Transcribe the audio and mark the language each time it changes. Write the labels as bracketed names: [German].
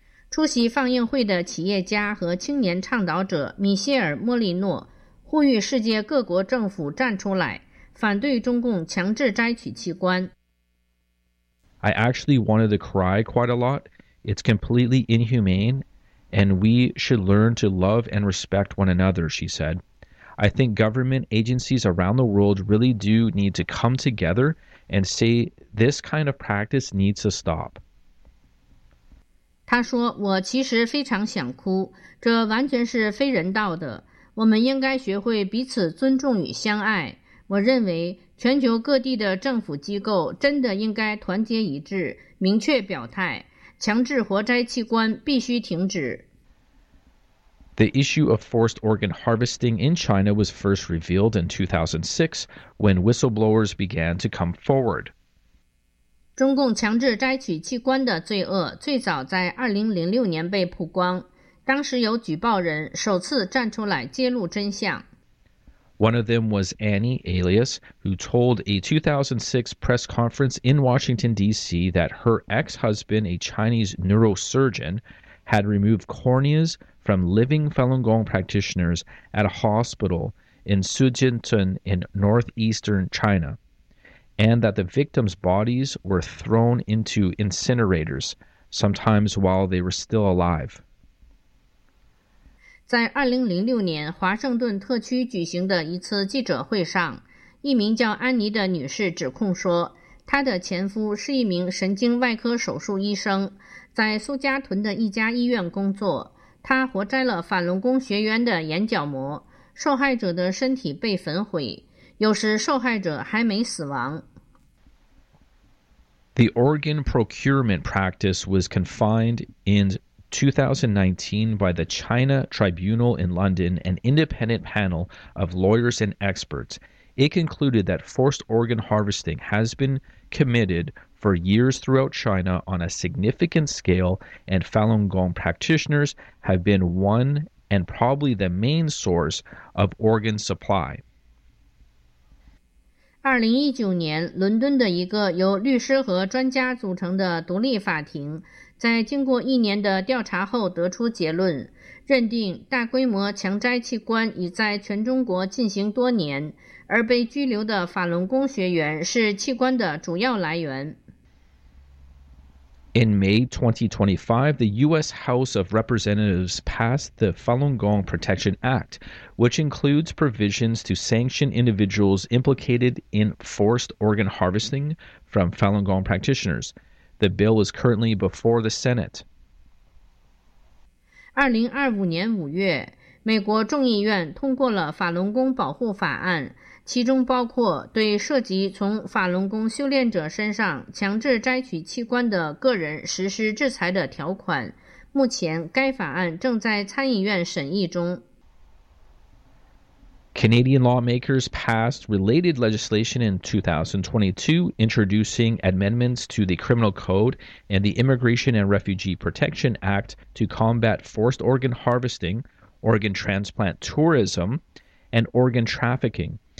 [Chinese] 出席放映会的企业家和青年倡导者米歇尔·莫利诺呼吁世界各国政府站出来，反对中共强制摘取器官。 [English] I actually wanted to cry quite a lot. It's completely inhumane. And we should learn to love and respect one another, she said. I think government agencies around the world really do need to come together and say this kind of practice needs to stop. [Chinese] 他说，我其实非常想哭，这完全是非人道的。我们应该学会彼此尊重与相爱。我认为全球各地的政府机构真的应该团结一致，明确表态。强制活摘器官必须停止。 [English] The issue of forced organ harvesting in China was first revealed in 2006 when whistleblowers began to come forward. [Chinese] 中共强制摘取器官的罪恶最早在2006年被曝光，当时有举报人首次站出来揭露真相。 [English] One of them was Annie Alias, who told a 2006 press conference in Washington, D.C. that her ex-husband, a Chinese neurosurgeon, had removed corneas from living Falun Gong practitioners at a hospital in Shijiazhuang in northeastern China, and that the victims' bodies were thrown into incinerators, sometimes while they were still alive. [Chinese] 在2006年华盛顿特区举行的一次记者会上，一名叫安妮的女士指控说，她的前夫是一名神经外科手术医生，在苏家屯的一家医院工作，他活摘了法轮功学员的眼角膜，受害者的身体被焚毁，有时受害者还没死亡。 [English] The organ procurement practice was confined in 2019 by the China Tribunal in London, an independent panel of lawyers and experts. It concluded that forced organ harvesting has been committed for years throughout China on a significant scale, and Falun Gong practitioners have been one and probably the main source of organ supply. [Chinese] 2019年，伦敦的一个由律师和专家组成的独立法庭在经过一年的调查后得出结论，认定大规模强摘器官已在全中国进行多年，而被拘留的法轮功学员是器官的主要来源。 [English] In May 2025, the U.S. House of Representatives passed the Falun Gong Protection Act, which includes provisions to sanction individuals implicated in forced organ harvesting from Falun Gong practitioners. The bill is currently before the Senate. [Chinese] 2025年5月，美国众议院通过了法轮功保护法案，其中包括对涉及从法轮功修炼者身上强制摘取器官的个人实施制裁的条款。目前该法案正在参议院审议中。 [English] Canadian lawmakers passed related legislation in 2022, introducing amendments to the Criminal Code and the Immigration and Refugee Protection Act to combat forced organ harvesting, organ transplant tourism, and organ trafficking.